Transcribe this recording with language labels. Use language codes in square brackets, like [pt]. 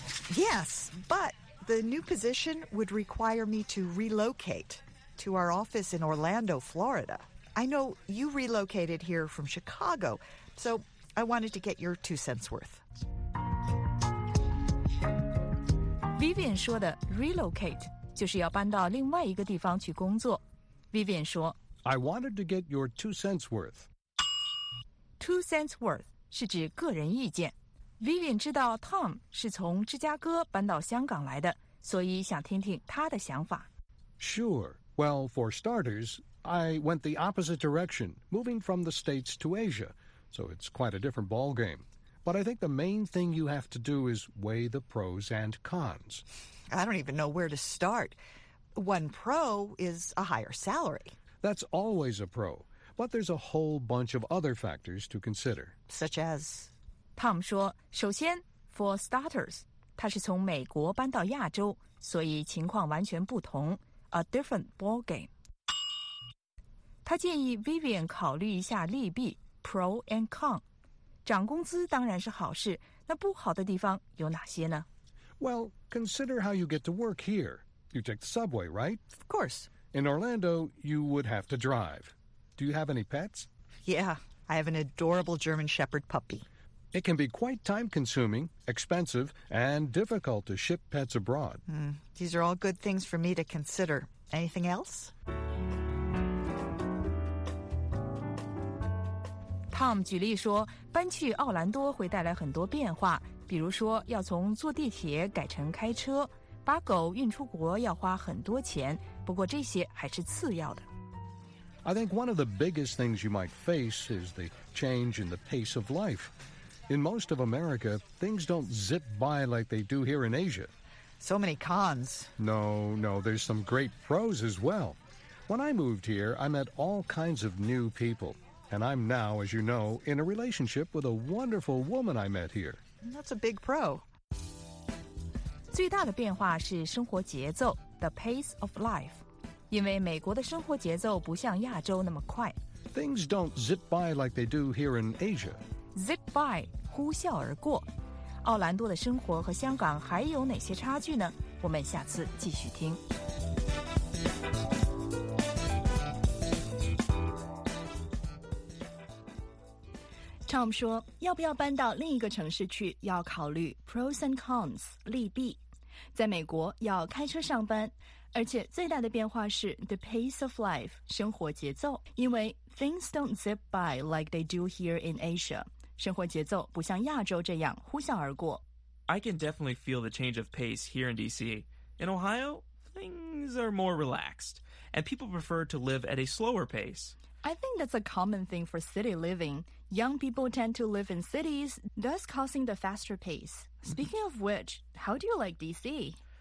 [en] Yes, but the new position would require me to relocate to our office in Orlando, Florida. I know you relocated here from Chicago, so I wanted to get your 2 cents worth. [zh] Vivian 说的 relocate 就是要搬到另外一个地方去工作。 Vivian 说 [en] I wanted to get your 2 cents worth. 2 cents worth [zh] 是指个人意见。Vivian 知道 Tom 是从芝加哥搬到香港来的，所以想听听他的想法。 [en] Sure. Well, for starters, I went the opposite direction, moving from the States to Asia. So it's quite a different ballgame. But I think the main thing you have to do is weigh the pros and cons. I don't even know where to start. One pro is a higher salary. That's always a pro. But there's a whole bunch of other factors to consider. Such as... [zh] Tom 说首先 [en] for starters, [zh] 他是从美国搬到亚洲所以情况完全不同 [en] a different ballgame. [zh] 他建议 Vivian 考虑一下利弊 [en] pro and con. [zh] 涨工资当然是好事那不好的地方有哪些呢 [en] Well, consider how you get to work here. You take the subway, right? Of course. In Orlando, you would have to drive. Do you have any pets? Yeah, I have an adorable German Shepherd puppy. It can be quite time-consuming, expensive, and difficult to ship pets abroad. These are all good things for me to consider. Anything else? [zh] Tom 举例说，搬去奥兰多会带来很多变化，比如说要从坐地铁改成开车，把狗运出国要花很多钱，不过这些还是次要的。 [en] I think one of the biggest things you might face is the change in the pace of life. In most of America, things don't zip by like they do here in Asia. So many cons. No, there's some great pros as well. When I moved here, I met all kinds of new people. And I'm now, as you know, in a relationship with a wonderful woman I met here. That's a big pro. [zh] 最大的变化是生活节奏 [en] the pace of life. [zh] 因为美国的生活节奏不像亚洲那么快。 [en] Things don't zip by like they do here in Asia. Zip by, [zh] 呼啸而过。奥兰多的生活和香港还有哪些差距呢？我们下次继续听。 Tom 说，要不要搬到另一个城市去，要考虑 [en] pros and cons, [zh] 利弊。在美国要开车上班，而且最大的变化是 [en] the pace of life, [zh] 生活节奏。因为 [en] things don't zip by like they do here in Asia. [zh] 生活节奏不像亚洲这样呼啸而过。 [en] I can definitely feel the change of pace here in D.C. In Ohio, things are more relaxed, and people prefer to live at a slower pace. I think that's a common thing for city living. Young people tend to live in cities, thus causing the faster pace. Speaking of which, how do you like D.C.?